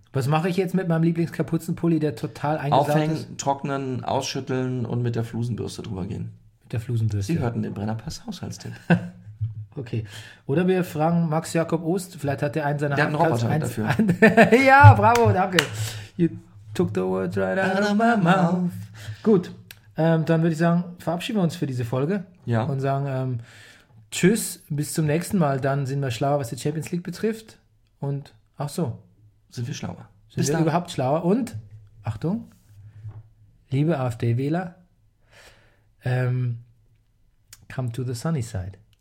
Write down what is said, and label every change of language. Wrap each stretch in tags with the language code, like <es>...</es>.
<de>Was mache ich jetzt mit meinem Lieblingskapuzenpulli, der total eingesaut ist? Aufhängen, trocknen, ausschütteln und mit der Flusenbürste drüber gehen. Mit der Flusenbürste. Sie hörten den Brennerpass Haushaltstipp. Okay. Oder wir fragen Max Jakob Ost. Vielleicht hat der einen seiner Handkasten. Der hat einen Roboter dafür. Ja, bravo, danke.</de> <en>You took the words right out of my mouth.</en> <de>Gut, dann würde ich sagen, verabschieden wir uns für diese Folge. Ja. Und sagen, Tschüss, bis zum nächsten Mal. Dann sind wir schlauer, was die Champions League betrifft. Und, ach so. Sind wir schlauer. Sind bis wir dann. Überhaupt schlauer. Und, Achtung, liebe AfD-Wähler,</de> <en>come to the sunny side.</en>